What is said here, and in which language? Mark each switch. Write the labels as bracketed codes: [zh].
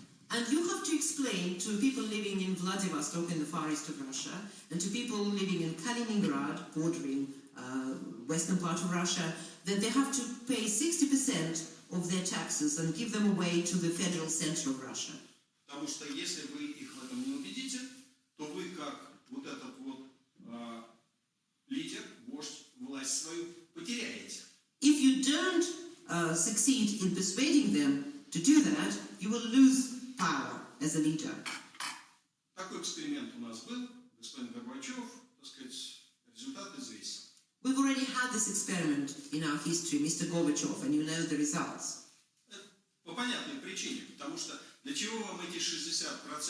[en] And you have to explain to people living in Vladivostok in the far east of Russia and to people living in Kaliningrad bordering western part of Russia, that they have to pay 60% of their taxes and give them away to the federal center of Russia. [ru] Потому что если вы их в этом не убедите, то вы как вот этот вот лидер, вождь, власть свою потеряете. [en] If you don't succeed in persuading them to do that, you will lose power as a leader. [ru] Такой эксперимент у нас был, господин Горбачев, так сказать, результат известен. [en] We've already had this experiment in our history, Mr. Gorbachev, and you know the results. [ru] По понятной причине, потому что для чего вам эти 60%?